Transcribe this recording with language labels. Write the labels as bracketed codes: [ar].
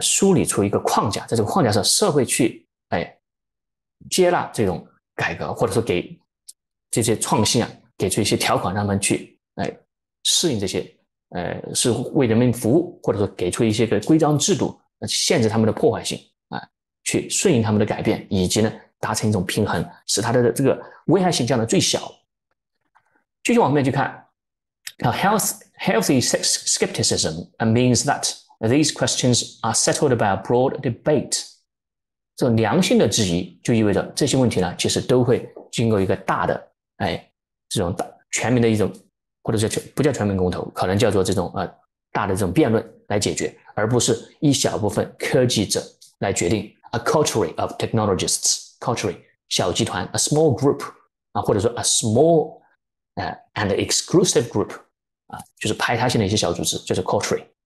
[zh] 梳理出一个框架，在这个框架上，社会去接纳这种改革，或者说给这些创新啊，给出一些条款，让他们去。适应这些是为人民服务，或者说给出一些个规章制度限制他们的破坏性去顺应他们的改变，以及呢达成一种平衡，使它的这个危害性降到最小。继续往后面去看。 [en] Now, healthy skepticism means that these questions are settled by a broad debate. [zh] 这种良性的质疑就意味着这些问题呢，其实都会经过一个大的，哎，这种大全民的一种，或者是不叫全民公投，可能叫做这种大的这种辩论来解决，而不是一小部分科技者来决定。 [en] A coterie of technologists, coterie 小集团 ，a small group 啊，或者说 a small and exclusive group 啊， [zh] 就是排他性的一些小组织， [en] 就是 coterie。